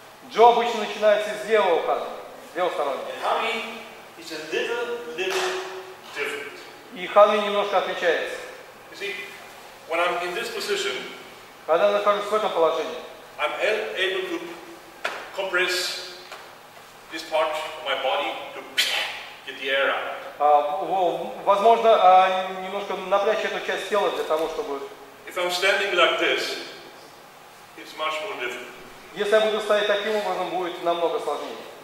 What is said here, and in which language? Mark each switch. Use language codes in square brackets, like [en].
[ru] Джо обычно начинается с левого Кана, с левого стороннего. [en] It's a little different. [ru] И Хами немножко отличается. [en] You see, when I'm in this position, [ru] когда я нахожусь в этом положении, [en] I'm able to compress this part of my body to get the air out. [ru] Возможно, немножко напрячь эту часть тела для того, чтобы. [en] If I'm standing like this, it's much more difficult. [ru] Если я буду стоять таким образом, будет намного сложнее.